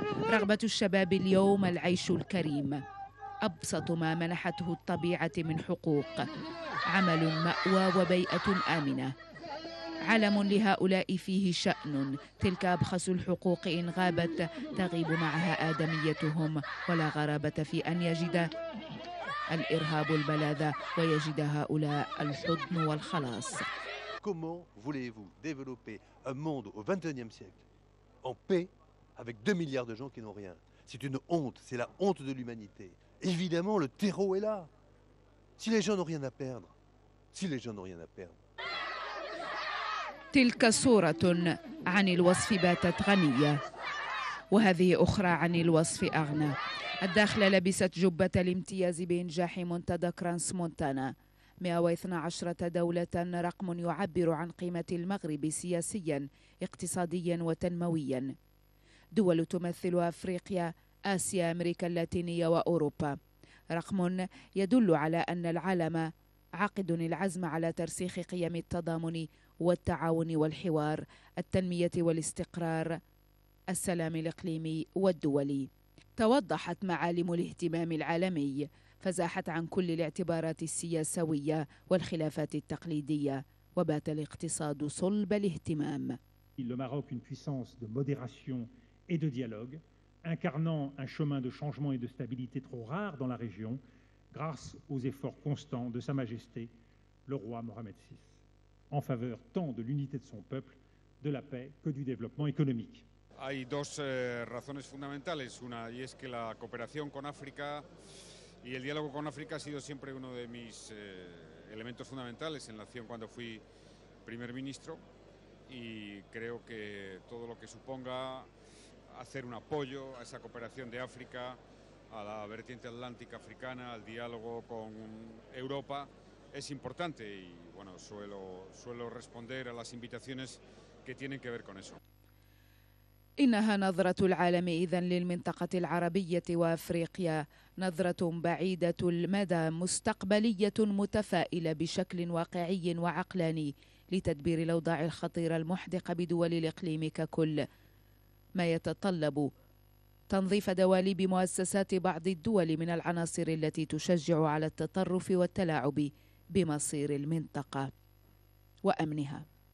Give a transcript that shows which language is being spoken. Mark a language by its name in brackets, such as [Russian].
[Arabic] رغبة الشباب اليوم العيش الكريم، أبسط ما منحته الطبيعة من حقوق، عمل، مأوى وبيئة آمنة. عالم لهؤلاء فيه شأن، تلك أبخس الحقوق إن غابت تغيب معها آدميتهم، ولا غرابة في أن يجد الإرهاب البلاذة ويجد هؤلاء الحضن والخلاص. [French] Comment voulez-vous développer un monde au 21e siècle en paix avec 2 milliards de gens qui n'ont rien? C'est une honte, c'est la honte de l'humanité. Évidemment, le terreau est là. Si les gens n'ont rien à perdre, si les gens n'ont rien à perdre. [Arabic] تلك صورة عن الوصف باتت غنية، وهذه أخرى عن الوصف أغنى. الداخلة لبست جبة الامتياز بإنجاح منتدى كرانس مونتانا، 112 دولة رقم يعبر عن قيمة المغرب سياسيا اقتصاديا وتنمويا. دول تمثل أفريقيا، آسيا، أمريكا اللاتينية وأوروبا، رقم يدل على أن العالم عقد العزم على ترسيخ قيم التضامن والتعاون والحوار، التنمية والاستقرار، السلام الإقليمي والدولي. توضحت معالم الاهتمام العالمي، فزاحت عن كل الاعتبارات السياسوية والخلافات التقليدية، وبات الاقتصاد صلب الاهتمام. [French] Le Maroc une puissance de modération et de dialogue, incarnant un chemin de changement et de stabilité trop rare dans la région, grâce aux efforts constants de Sa Majesté le roi Mohamed VI. En faveur tant de l'unité de son peuple, de la paix que du développement économique. [Spanish] Hay dos razones fundamentales. Una, y es que la cooperación con África y el diálogo con África ha sido siempre uno de mis elementos fundamentales en la acción cuando fui primer ministro. Y creo que todo lo que suponga hacer un apoyo a esa cooperación de África, a la vertiente atlántica africana, al diálogo con Europa, es importante. Y, suelo responder a las invitaciones que tienen que ver con eso. [Arabic] إنها نظرة العالم إذن للمنطقة العربية وأفريقيا، نظرة بعيدة المدى، مستقبلية متفائلة بشكل واقعي وعقلاني لتدبير الأوضاع الخطيرة المحدقة بدول الإقليم ككل، ما يتطلب تنظيف دواليب مؤسسات بعض الدول من العناصر التي تشجع على التطرف والتلاعب بمصير المنطقة وأمنها.